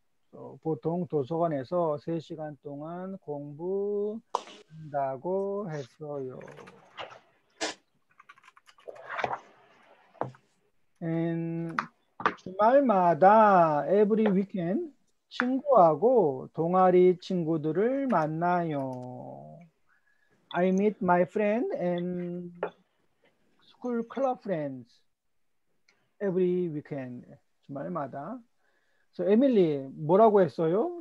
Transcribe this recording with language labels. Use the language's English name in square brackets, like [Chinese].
[Korean] So, 보통 도서관에서 3시간 동안 공부한다고 했어요. And 주말마다 [English] every weekend [Korean] 친구하고 동아리 친구들을 만나요. [English] I meet my friend and school club friends every weekend [Korean] 주말마다. So Emily, 뭐라고 했어요?